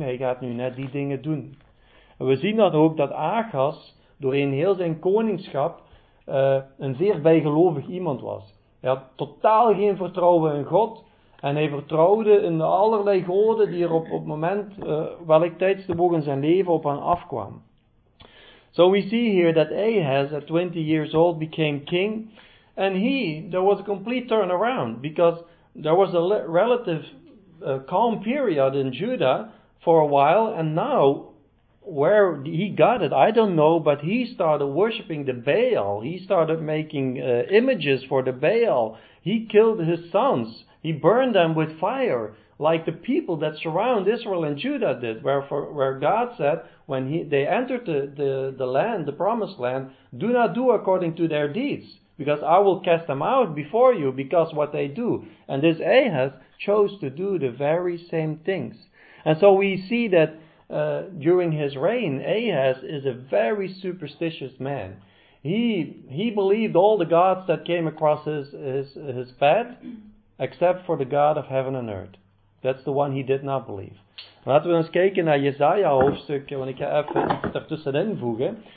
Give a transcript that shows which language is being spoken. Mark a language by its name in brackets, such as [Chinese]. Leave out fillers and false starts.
[Dutch] Hij gaat nu net die dingen doen. En we zien dan ook dat Achas, doorheen heel zijn koningschap, een zeer bijgelovig iemand was. Hij had totaal geen vertrouwen in God, en hij vertrouwde in de allerlei goden die er op het moment, welk tijdstip in zijn leven, op hem afkwam. [English] So we see here that Ahaz, at 20 years old, became king, and he, there was a complete turnaround, because there was a relative calm period in Judah for a while, and now, where he got it, I don't know, but he started worshiping the Baal. He started making images for the Baal. He killed his sons. He burned them with fire, like the people that surround Israel and Judah did, where God said, when they entered the land, the promised land, do not do according to their deeds, because I will cast them out before you because what they do. And this Ahaz chose to do the very same things. And so we see that during his reign, Ahaz is a very superstitious man. He believed all the gods that came across his path, except for the God of heaven and earth. That's the one he did not believe. [Dutch] Laten we eens kijken naar Jesaja hoofdstuk, want ik ga even ertussen invoegen.